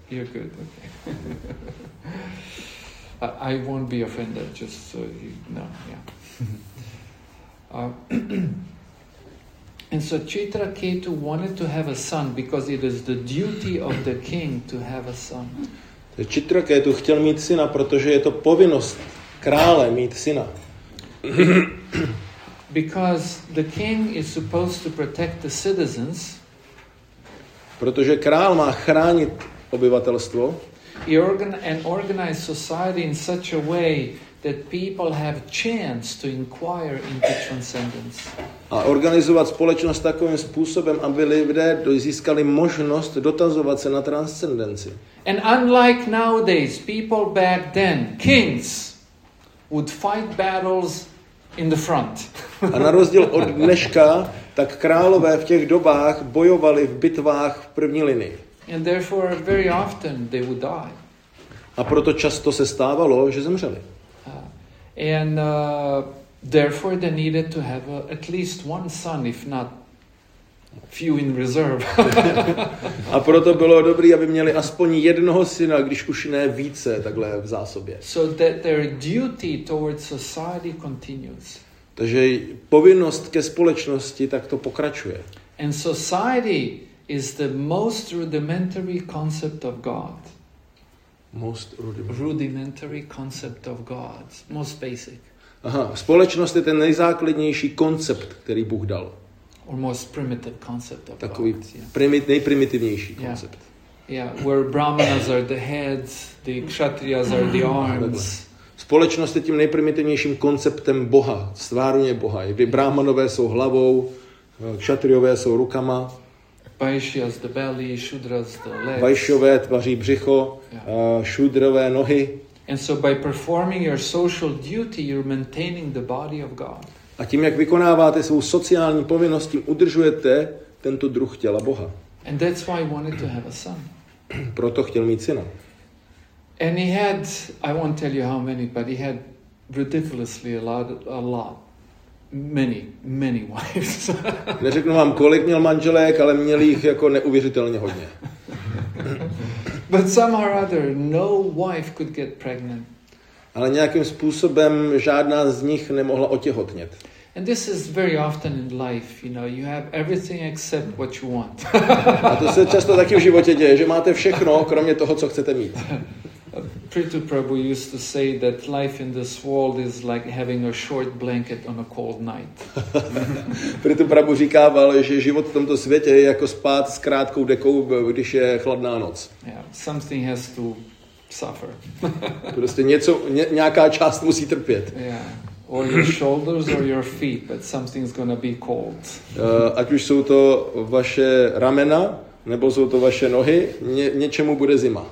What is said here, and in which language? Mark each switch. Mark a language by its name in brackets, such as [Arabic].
[English] you're good. Okay. I won't be offended. Just so you know. Yeah. and so Chitraketu wanted to have a son because it is the duty of the king to have a son. [Czech] Chitraketu chtěl mít syna, protože je to povinnost krále mít syna. [English] Because the king is supposed to protect the citizens. [Czech] Protože král má chránit obyvatelstvo. [English] And organize society in such a way that people have chance to inquire into transcendence. [Czech] A organizovat společnost takovým způsobem, aby lidé získali možnost dotazovat se na transcendenci. [English] And unlike nowadays, people back then, kings would fight battles in the front. [Czech] A na rozdíl od dneška, tak králové v těch dobách bojovali v bitvách v první linii. [English] And therefore very often they would die. [Czech] A proto často se stávalo, že zemřeli. [English] And therefore they needed to have at least one son if not few in reserve. [Czech] A proto bylo dobré, aby měli aspoň jednoho syna, když už ne více, takhle v zásobě. [English] So that their duty towards society continues. [Czech] Takže povinnost ke společnosti takto pokračuje. [English] And society is the most rudimentary concept of God. Most rudimentary concept of God. Most basic. [Czech] Aha, společnost je ten nejzákladnější koncept, který Bůh dal. [English] Or most primitive concept of [Czech] takový [English] God. [Czech] Nejprimitivnější koncept. [English] Yeah, where brahmanas are the heads, the kshatriyas are the arms. [Czech] Společnost je tím nejprimitivnějším konceptem Boha, stvárně Boha. Kdy brahmanové jsou hlavou, kshatriyové jsou rukama. [English] Vaishyas the belly, shudras the legs. [Czech] Vaishyové tvaří břicho, šudrové nohy. [English] And so by performing your social duty, you're maintaining the body of God. [Czech] A tím, jak vykonáváte svou sociální povinnost, tím udržujete tento druh těla Boha. [English] And that's why he wanted to have a son. [Czech] Proto chtěl mít syna. [English] And he had, I won't tell you how many, but he had ridiculously a lot. Many wives. [Czech] Neřeknu vám, kolik měl manželek, ale měl jich jako neuvěřitelně hodně. [English] But somehow or other, no wife could get pregnant. [Czech] Ale nějakým způsobem žádná z nich nemohla otěhotnět. [English] And this is very often in life, you know, you have everything except what you want. [Czech] A to se často taky v životě děje, že máte všechno, kromě toho, co chcete mít. [English] Prithu Prabhu used to say that life in this world is like having a short blanket on a cold night. [Czech] Prithu Prabhu říkával, že život v tomto světě je jako spát s krátkou dekou, když je chladná noc. [English] Yeah, something has to suffer. [Czech] Prostě něco, nějaká část musí trpět. [English] Yeah. Or your shoulders or your feet, but something's gonna be cold. [Czech] Ať už jsou to vaše ramena, nebo jsou to vaše nohy, něčemu bude zima.